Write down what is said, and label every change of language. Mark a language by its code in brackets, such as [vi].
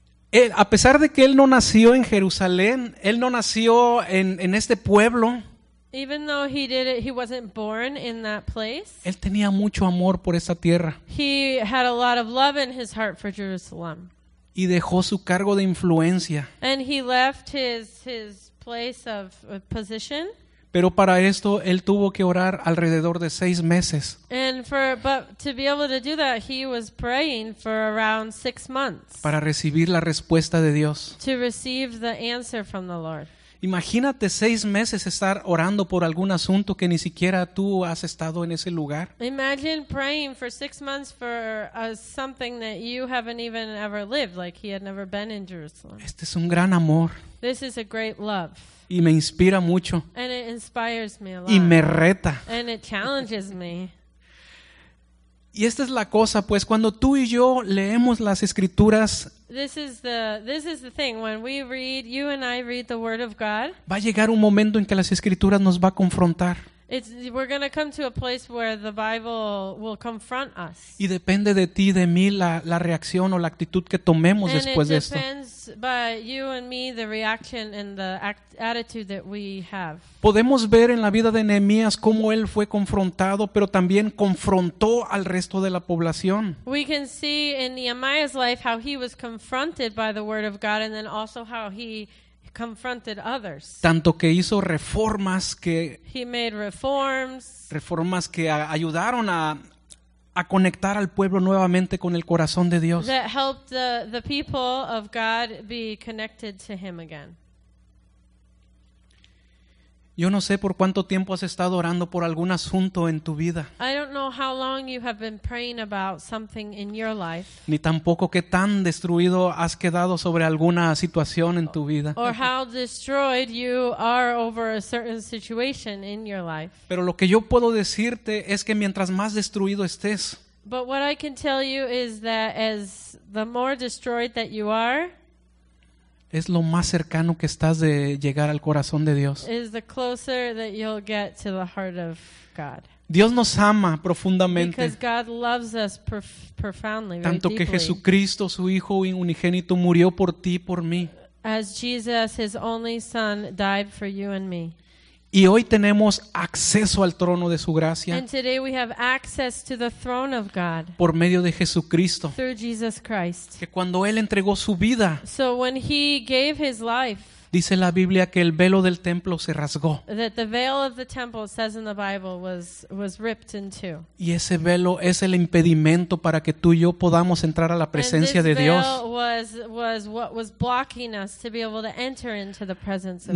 [es] Él, a pesar de que él no nació en Jerusalén, él no nació en este pueblo. [en] Even though he did it, he wasn't born in that place. [es] Él tenía mucho amor por esa tierra. [en] He had a lot of love in his heart for Jerusalem. [es] Y dejó su cargo de influencia. [en] And he left his place of position. [es] Pero para esto él tuvo que orar alrededor de 6 meses. [en] And for but to be able to do that, he was praying for around 6 months. [es] Para recibir la respuesta de Dios. [en] To receive the answer from the Lord. [es] Imagínate 6 meses estar orando por algún asunto que ni siquiera tú has estado en ese lugar. [en] Imagine praying for 6 months for something that you haven't even ever lived, like he had never been in Jerusalem. [es] Este es un gran amor. [en] This is a great love. [es] Y me inspira mucho. [en] And it inspires me a lot. [es] Y me reta. [en] And it challenges me. [es] Y esta es la cosa, pues, cuando tú y yo leemos las Escrituras. [en] This is the thing when we read, you and I read the Word of God. [es] Va a llegar un momento en que las Escrituras nos va a confrontar. [en] We're going to come to a place where the Bible will confront us. [es] Y depende de ti, de mí, la reacción o la actitud que tomemos [en] and [es] después de esto. [en] And it depends by you and me the reaction and the attitude that we have. [es] Podemos ver en la vida de Nehemías cómo él fue confrontado, pero también confrontó al resto de la población. [en] We can see in Nehemiah's life how he was confronted by the Word of God, and then also how he confronted others. [es] Tanto que hizo reformas que [en] he made reforms. [es] Reformas que ayudaron a conectar al pueblo nuevamente con el corazón de Dios. [en] That helped the people of God be connected to him again. [es] Yo no sé por cuánto tiempo has estado orando por algún asunto en tu vida. [en] I don't know how long you have been praying about something in your life. [es] Ni tampoco qué tan destruido has quedado sobre alguna situación en tu vida. [en] Or how destroyed you are over a certain situation in your life. [es] Pero lo que yo puedo decirte es que mientras más destruido estés. [en] But what I can tell you is that as the more destroyed that you are, [es] es lo más cercano que estás de llegar al corazón de Dios. [en] Is the closer that you'll get to the heart of God. [es] Dios nos ama profundamente. [en] Because God loves us profoundly, [es] tanto [en] very deeply. [es] Que Jesucristo, su Hijo unigénito, murió por ti y por mí. [en] As Jesus, his only son, died for you and me. [es] Y hoy tenemos acceso al trono de su gracia. [en] And today we have access to the throne of God. [es] Por medio de Jesucristo. [en] Through Jesus Christ. [es] Que cuando él entregó su vida. [en] So when he gave his life. [es] Dice la Biblia que el velo del templo se rasgó. [en] That the veil of the temple, says in the Bible, was ripped in two. [es] Y ese velo es el impedimento para que tú y yo podamos entrar a la presencia de Dios. [en] And this veil was what was blocking us to be able to enter into the presence of